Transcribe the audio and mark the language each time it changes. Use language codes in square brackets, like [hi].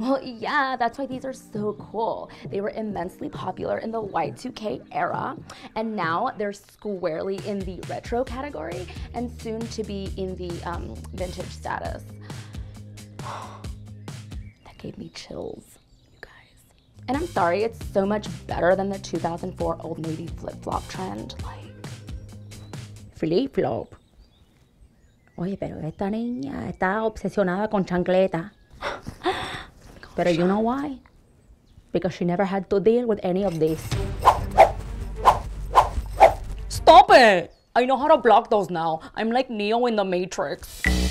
[en] Well, yeah, that's why these are so cool. They were immensely popular in the Y2K era, and now they're squarely in the retro category and soon to be in the vintage status. Gave me chills, you guys. And I'm sorry, it's so much better than the 2004 Old Navy flip-flop trend, like... Flip-flop. [es] Oye, pero esta niña está obsesionada con chancleta. [en] Oh my gosh. [es] Pero [en] you know why? because she never had to deal with any of this. Stop it! I know how to block those now. I'm like Neo in the Matrix.